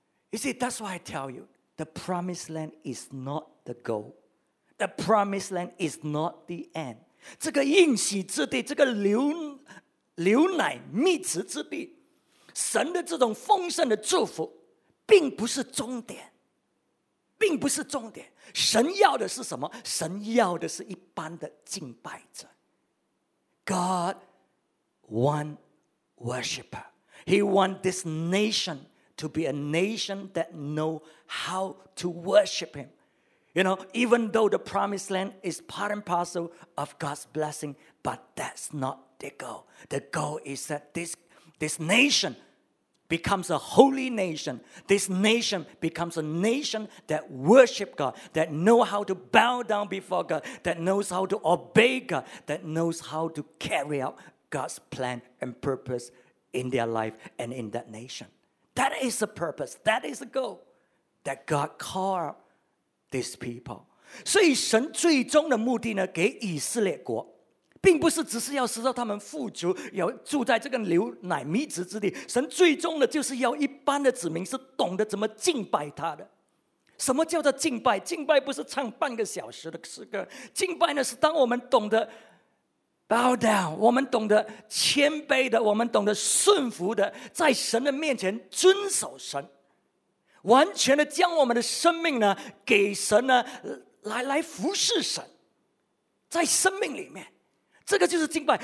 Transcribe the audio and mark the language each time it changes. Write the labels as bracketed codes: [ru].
[en] You see, that's why I tell you, the promised land is not the goal. The promised land is not the end. [zh] 这个应许之地，这个流奶蜜汁之地，神的这种丰盛的祝福并不是终点，并不是终点。神要的是什么？神要的是一般的敬拜者。 [en] God wants worshiper. He wants this nation to be a nation that knows how to worship him. You know, even though the promised land is part and parcel of God's blessing, but that's not the goal. The goal is that this nation becomes a holy nation. This nation becomes a nation that worships God, that knows how to bow down before God, that knows how to obey God, that knows how to carry out God's plan and purpose in their life and in that nation. That is the purpose, that is the goal that God called these people. [zh] 所以神最终的目的呢，给以色列国并不是只是要使到他们富足，要住在这个流奶蜜汁之地。神最终的就是要一般的子民是懂得怎么敬拜他的。什么叫做敬拜？敬拜不是唱半个小时的诗歌，敬拜呢是当我们懂得 [en] bow down， [zh] 我们懂得谦卑的，我们懂得顺服的，在神的面前遵守神，完全的将我们的生命呢给神呢，来服侍神，在生命里面。这个就是敬拜。